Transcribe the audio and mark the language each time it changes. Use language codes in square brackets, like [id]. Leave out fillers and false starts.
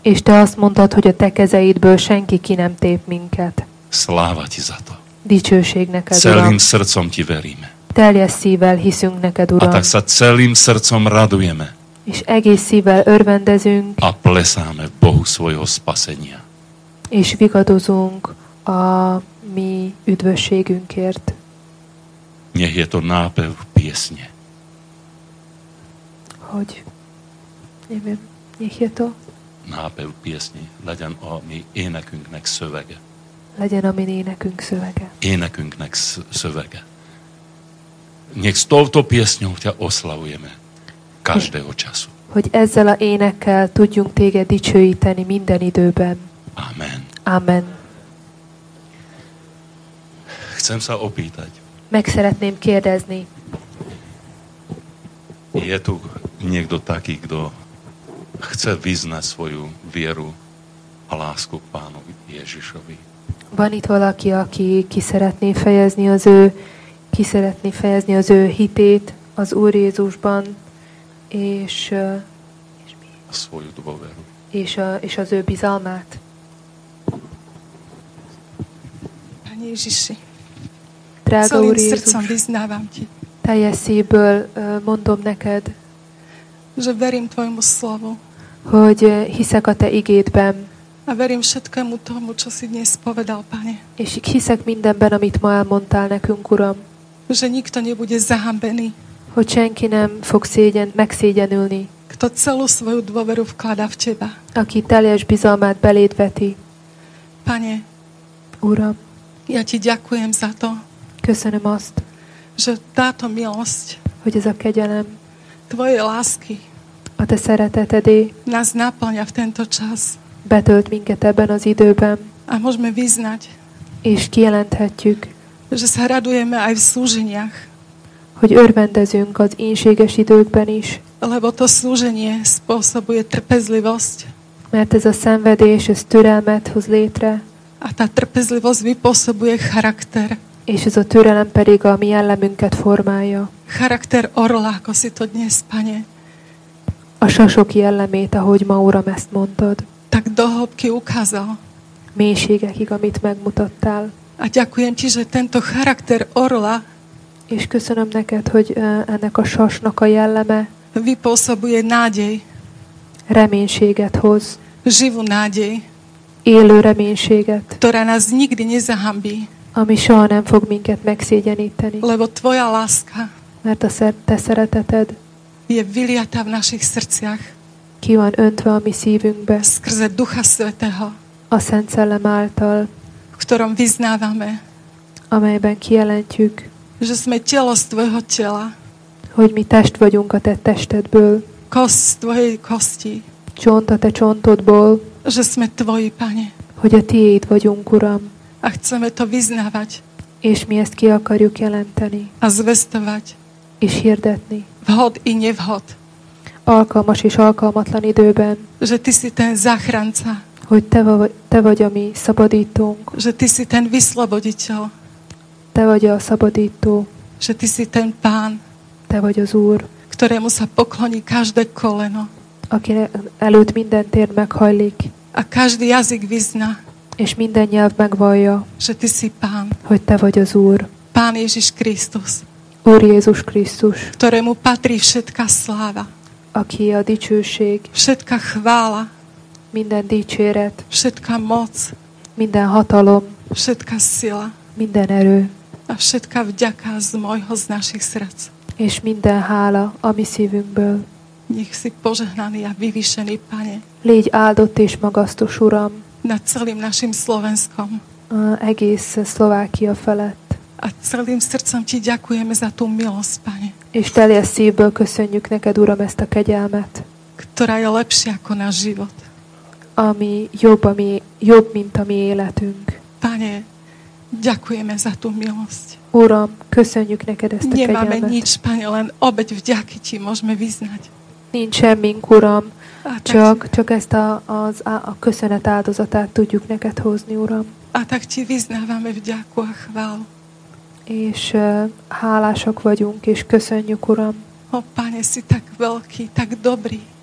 [hu] És te azt mondtad, hogy a te kezeidből senki ki nem tép minket. [sk] Sláva ti za to. [hu] Dicsőség neked, Uram. [sk] Celým srdcom ti veríme. [hu] Teljes szívvel hiszünk neked, Uram. [sk] A tak sa celým srdcom radujeme. [hu] És egész szívvel örvendezünk. [sk] A plesáme Bohu svojho spasenia. [hu] És vigadozunk a mi üdvösségünkért. [sk] Nech je to nápev piesne. Hogy? Neviem, nech je to? Nápev piesne. [hu] Legyen a mi énekünknek szövege. Legyen a mi énekünk szövege. Énekünknek szövege. [sk] Nech s touto piesňou ťa oslavujeme každého času. [hu] Hogy ezzel a énekkel tudjunk téged dicsőíteni minden időben. [sk] Amen. [hu] Amen. [sk] Chcem sa opýtať. [hu] Meg szeretném kérdezni. [sk] Je tu niekto taký, kto chce vyznať svoju vieru a lásku k Pánovi Ježišovi? [hu] Van itt valaki, aki ki szeretné fejezni az ő hitét az Úr Jézusban, és [sk] a svoju dôveru. [hu] És az ő bizalmát. [sk] Pane Ježiši, [hu] drága Úr Jézus, [sk] srdcom vyznávam ti. [hu] Teljes szívből mondom neked, [sk] že verím tvojmu slovu. [hu] Hogy hiszek a te igédben. [sk] A verím všetkému tomu, čo si dnes povedal, Pane. [hu] És hiszek mindenben, amit ma elmondtál nekünk, Uram. [sk] Že nikto nebude zahambený. [hu] Hogy senki nem fog megszégyenülni. [sk] Kto celú svoju dôveru vkladá v teba. [hu] Aki teljes bizalmát beléd veti. [sk] Pane. [hu] Uram. [sk] Ja ti ďakujem za to. [hu] Köszönöm azt. [sk] Že táto milosť. [hu] Hogy ez a kegyelem. [sk] Tvojej lásky. [hu] A te szeretetedé. [sk] Nás naplňa v tento čas. [hu] Betölt minket ebben az időben. [sk] A môžeme vyznať. [hu] És kijelenthetjük. [sk] Že sa radujeme aj v slúženiach. [hu] Hogy örvendezünk az ínséges időkben is. [sk] Lebo to slúženie spôsobuje trpezlivosť. [hu] Mert ez a szenvedés, ez türelmet hoz létre. [sk] A tá trpezlivosť vypôsobuje charakter. [hu] És ez a türelem pedig a mi jellemünket formálja. [sk] Charakter orla, ako si to dnes, Pane. [hu] A sasok jellemét, ahogy ma, Uram, ezt mondtad. [sk] Tak dohobky ukázal. [hu] Mélységekig, amit megmutattál. [sk] A ďakujem ti, že tento charakter orla. [hu] És köszönöm neked, hogy ennek a sasnak a jelleme [sk] vypôsobuje nádej. [hu] Reménységet hoz. [sk] Živú nádej. [hu] Élő reménységet. [sk] Ktorá nás nikdy nezahambí. [hu] Ami soha nem fog minket megszégyeníteni. [sk] Lebo tvoja láska. [hu] Mert a te szereteted [sk] je vyliata v našich srdciach. [hu] Ki van öntve a mi szívünkbe. [sk] Skrze Ducha Svätého. [hu] A Szent Szellem által. [sk] V ktorom vyznávame. [hu] Amelyben kijelentjük. [sk] Že sme telo z tvojho tela. [hu] Hogy mi test vagyunk a te testedből. [sk] Kost z tvojej kosti. [hu] Csont a te csontodból. [sk] Že sme tvoji, Pane. [hu] Hogy a tiéd vagyunk, Uram. [sk] A chceme to vyznávať. [hu] És mi ezt ki akarjuk jelenteni. [sk] A zvestovať. [hu] És hirdetni. [sk] Vhod i nevhod. [hu] Alkalmas és alkalmatlan időben. [sk] Že ty si ten záchranca. [hu] Hogy te vagy a mi szabadítónk. [sk] Že ty si ten vysloboditeľ. [hu] Te vagy a szabadító. [sk] Že ty si ten Pán. [hu] Te vagy az Úr. [sk] Ktorému sa pokloní každé koleno. [hu] Aki előtt minden térd meghajlik. [sk] A každý jazyk vyzna. [hu] És minden nyelv megvallja. [sk] Že ty si Pán. [hu] Hogy te vagy az Úr. [sk] Pán Ježiš Krisztus. [hu] Úr Jézus Krisztus. [sk] Ktorému patrí všetka sláva. [hu] Aki a dicsőség. [sk] Všetka chvála. [hu] Minden dicséret. [sk] Všetka moc. [hu] Minden hatalom. [sk] Všetka sila. [hu] Minden erő. [sk] A všetka vďaka z mojho, z našich srdc. [hu] És minden hála a mi szívünkből. [sk] Nech si požehnaný a vyvýšený, Pane. [hu] Légy áldott és magasztos, Uram. [sk] Na celým našim Slovenskom. [hu] A egész Szlovákia felett. [sk] A celým srdcom ti ďakujeme za tú milosť, Pane. [hu] És teljes szívből köszönjük neked, Uram, ezt a kegyelmet. [sk] Ktorá je lepšia ako náš život. [hu] ami jobb, mint a mi életünk. [sk] Pane, ďakujeme za tú milosť. [hu] Uram, köszönjük neked ezt a kegyelmet. [sk] Nemáme nič, Pane, len obeť vďaky ti môžeme vyznať. [hu] Nincs semmink, Uram. Csak ezt a köszönet áldozatát tudjuk neked hozni, Uram. [sk] A tak ti vyznávame vďaku a chválu. [hu] És hálások vagyunk, és köszönjük, Uram. [sk] Ó, Pane, si tak veľký, tak dobrý.